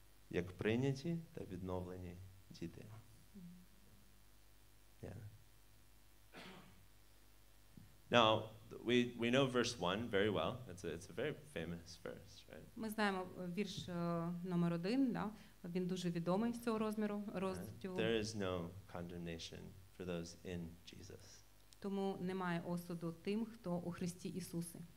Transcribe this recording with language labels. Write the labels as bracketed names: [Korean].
[Ukrainian] Як прийняті та відновлені діти. [English] Yeah. Now, we know verse 1 very well. It's a very famous verse, right? [Ukrainian] Ми знаємо вірш номер 1, да? Він дуже відомий з цього розміру, розділу. [English] There is no condemnation for those in Jesus. [Ukrainian] Тому немає осуду тим, хто у Христі Ісусі.